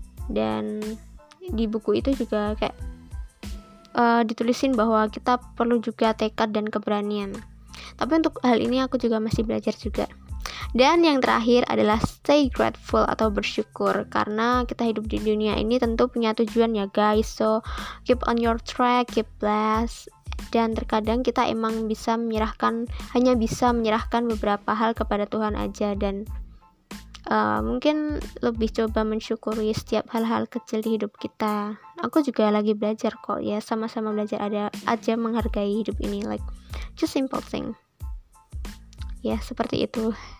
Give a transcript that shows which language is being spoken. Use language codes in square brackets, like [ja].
[id] Dan di buku itu juga kayak ditulisin bahwa kita perlu juga tekad dan keberanian. Tapi untuk hal ini aku juga masih belajar juga. Dan yang terakhir adalah stay grateful atau bersyukur. Karena kita hidup di dunia ini tentu punya tujuan ya guys. [en] So keep on your track, keep blessed. [id] Dan terkadang kita emang bisa menyerahkan, hanya bisa menyerahkan beberapa hal kepada Tuhan aja. Dan mungkin lebih coba mensyukuri setiap hal-hal kecil di hidup kita. Aku juga lagi belajar kok ya, sama-sama belajar ada aja menghargai hidup ini, [en] like just simple thing. [id] Ya, seperti itu.